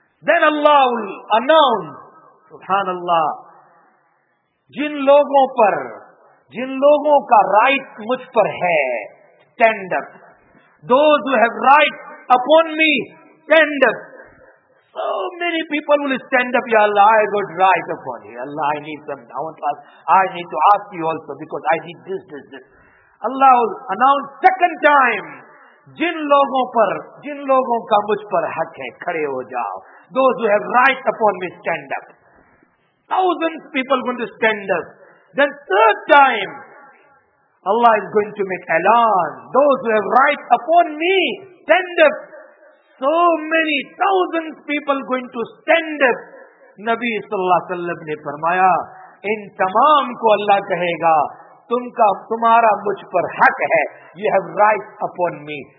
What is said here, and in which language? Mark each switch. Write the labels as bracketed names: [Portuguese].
[English] Then Allah will announce, subhanallah, [Urdu] jin logon ka right mujh par hai, [English] stand up. Those who have right upon me, stand up. So many people will stand up, ya Allah, I got right upon you. Allah, I need them. I need to ask you also because I need this, this, this. Allah will announce second time, [Urdu] جن لوگوں کا مجھ پر حق ہے کھڑے ہو جاؤ. [English] Those who have right upon me stand up. Thousands people going to stand up. Then third time Allah is going to make elan. Those who have right upon me stand up. So many thousands people going to stand up. [Urdu] نبی صلی اللہ علیہ وسلم نے فرمایا ان تمام کو اللہ کہے گا تمہارا مجھ پر حق ہے، [English] you have right upon me.